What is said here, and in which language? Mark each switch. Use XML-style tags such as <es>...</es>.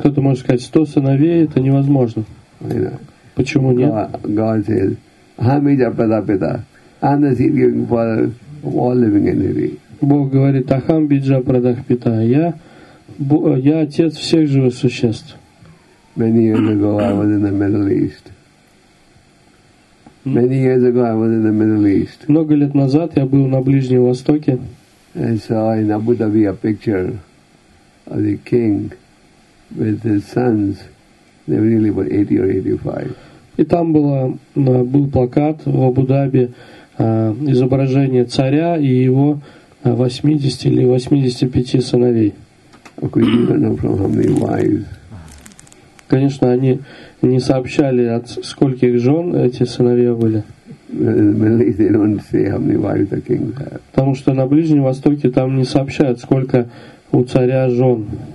<ru>Кто-то может сказать, 100 сыновей — это невозможно. Почему нет?</ru> <en>God says,</en> <sa>Ахамиджа Прадапита,</sa> <en>I'm the seed giving father of all living entity.</en> <ru>Бог говорит,</ru> <sa>Ахамбиджа Прадапита,</sa> <ru>я отец всех живых существ.</ru> <en>Many years ago, I was in the Middle East. Many years ago, I was in the Middle East.</en> <ru>Много лет назад я был на Ближнем Востоке.</ru> <en>I saw in Abu Dhabi a picture of the king with his sons. They were really about 80 or 85.</en> <ru>И там был плакат в Абу-Даби, изображение царя и его 80 или 85 сыновей.</ru> <en>Okay, you don't know from how many wives.</en> <ru>Конечно, они не сообщали, от скольких жен эти сыновья были. Потому что на Ближнем Востоке там не сообщают, сколько у царя жен.</ru>